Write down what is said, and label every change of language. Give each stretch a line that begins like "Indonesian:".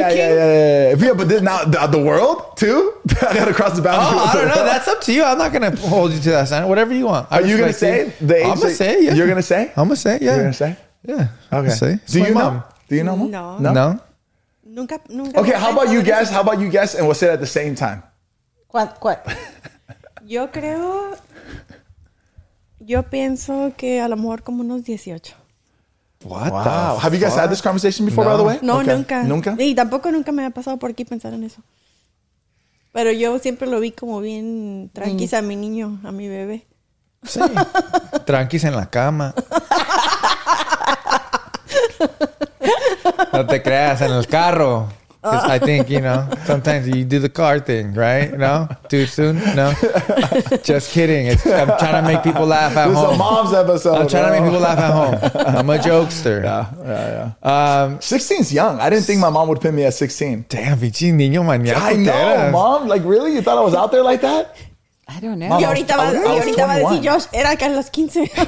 English: Yeah, but now the world, too? I got to cross the boundary. Oh, I don't know. That's up to you. I'm not going to hold you to that sign. Whatever you want. Are you going to say? I'm going to say, yeah. You're going to say? I'm going to say, yeah. You're going to say? Yeah. Okay. Say. Do you know? Do you know? No. No?
Spanish: Nunca.
English: Okay, how about you guess? How about you guess and we'll say it at the same time? What?
Spanish: Yo creo, yo pienso que a lo mejor como unos 18.
English: Wow. Have you guys had this conversation before, no. By the way?
Spanish: No, okay. Nunca. Nunca? Y tampoco nunca me ha pasado por aquí pensar en eso. Pero yo siempre lo vi como bien tranquis a mi niño, a mi bebé. Sí. Tranquis en la cama. No te creas, en el carro.
English: I think, you know, sometimes you do the car thing, right? No? Too soon? No? Just kidding. I'm trying to make people laugh at home. This is a mom's episode. I'm trying to make people laugh at home. I'm a jokester. Yeah. 16's young. I didn't think my mom would pin me at 16.
Spanish: Damn, bichi niño maniaco.
English: I know, mom. Like, really? You thought I was out there like that? I don't know.
Spanish: Y ahorita va a decir Josh, era que a los 15.